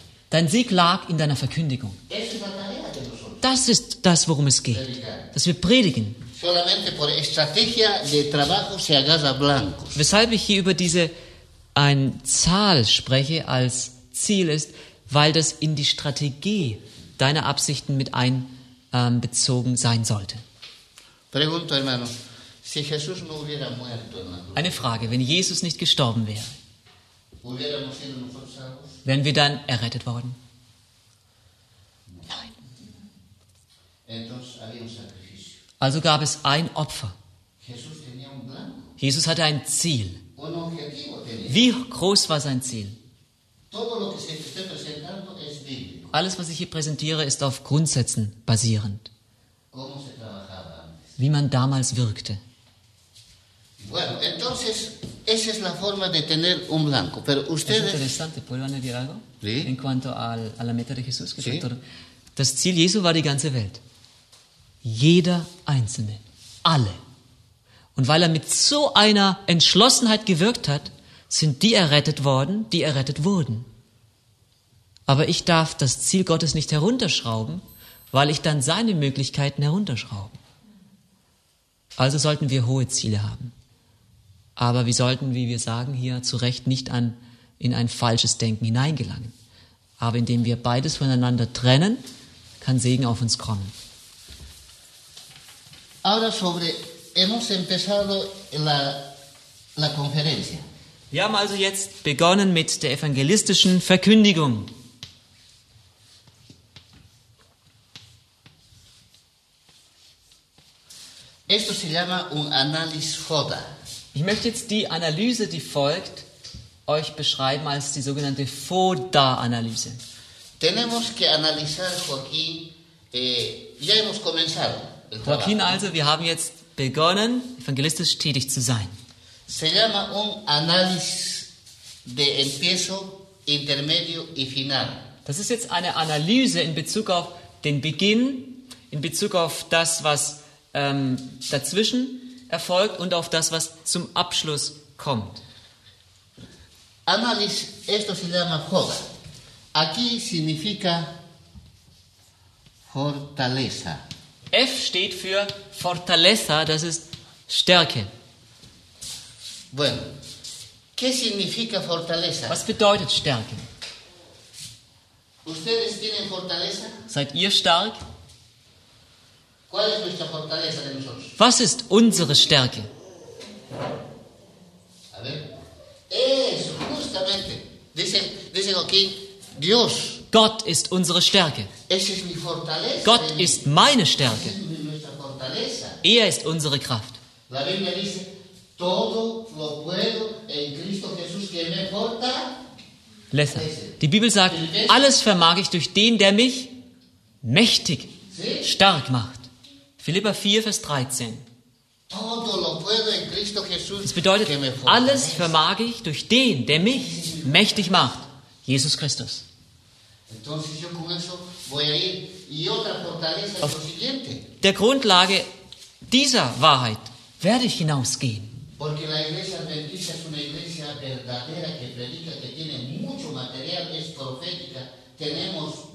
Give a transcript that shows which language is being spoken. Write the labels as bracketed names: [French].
[German] Dein Sieg lag in deiner Verkündigung. Das ist das, worum es geht, dass wir predigen. [Spanish] Solamente por estrategia de trabajo se agarra blanco. [German] Weshalb ich hier über diese eine Zahl spreche als Ziel ist, weil das in die Strategie deine Absichten mit einbezogen sein sollte. [Spanish] Pregunto, hermano, si Jesús no hubiera muerto en la cruz. [German] Eine Frage, wenn Jesus nicht gestorben wäre, [Spanish] hubiéramos sido nosotros salvos? [German] Wären wir dann errettet worden? Nein. [Spanish] Entonces, había un sacrificio. [German] Also gab es ein Opfer. [Spanish] Jesús tenía un plan. [German] Jesus hatte ein Ziel. [Spanish] Un objetivo tenía. [German] Wie groß war sein Ziel? [Spanish] Todo lo que se está presentando es bíblico. [German] Alles, was ich hier präsentiere, ist auf Grundsätzen basierend. [Spanish] ¿Cómo se trabajaba antes? [German] Wie man damals wirkte. [Spanish] Bueno, entonces, esa es la forma de tener un blanco. Pero ustedes... Es interesante, ¿puedo añadir algo? Sí. En cuanto a la meta de Jesús. Sí. [German] Das Ziel Jesu war die ganze Welt. Jeder Einzelne. Alle. Und weil er mit so einer Entschlossenheit gewirkt hat, sind die errettet worden, die errettet wurden. Aber ich darf das Ziel Gottes nicht herunterschrauben, weil ich dann seine Möglichkeiten herunterschraube. Also sollten wir hohe Ziele haben. Aber wir sollten, wie wir sagen hier, zu Recht nicht in ein falsches Denken hineingelangen. Aber indem wir beides voneinander trennen, kann Segen auf uns kommen. [Spanish] Ahora sobre, hemos empezado la conferencia. [German] Wir haben also jetzt begonnen mit der evangelistischen Verkündigung. [Spanish] Esto se llama un análisis foda. [German] Ich möchte jetzt die Analyse, die folgt, euch beschreiben als die sogenannte FODA-Analyse. [Spanish] Tenemos que analizar, Joaquín, ya hemos comenzado el trabajo. [German] Joaquín, also, wir haben jetzt begonnen, evangelistisch tätig zu sein. [Spanish] Se llama un análisis de empiezo, intermedio y final. [German] Das ist jetzt eine Analyse in Bezug auf den Beginn, in Bezug auf das, was dazwischen erfolgt und auf das, was zum Abschluss kommt. [Spanish] Analyse, esto se llama foda. Aquí significa fortaleza. [German] F steht für fortaleza, das ist Stärke. [Spanish] Bueno, ¿qué significa fortaleza? [German] Was bedeutet Stärke? [Spanish] Ustedes tienen fortaleza? [German] Seid ihr stark? [Spanish] ¿Cuál es nuestra fortaleza de nosotros? [German] Was ist unsere Stärke? [Spanish] A ver. Es justamente. Dice Joaquín, Dios. [German] Gott ist unsere Stärke. [Spanish] Es ist mi fortaleza. [German] Gott ist meine Stärke. [Spanish] Es ist nuestra fortaleza. [German] Er ist unsere Kraft. [Spanish] La Biblia dice, todo lo puedo en Cristo Jesús que me fortalece. [German] Die Bibel sagt, alles vermag ich durch den, der mich mächtig, [Spanish] ¿sí?, [German] stark macht. Philipper 4, Vers 13. [Spanish] Todo lo puedo en Cristo Jesús, [German] das bedeutet, alles vermag ich durch den, der mich mächtig macht, Jesus Christus. [Spanish] Entonces, yo con eso voy a ir. Y otra fortaleza [German] auf der Grundlage dieser Wahrheit werde ich hinausgehen. [Spanish] Porque la iglesia adventista es una iglesia verdadera que predica, que tiene mucho material, es profética, tenemos.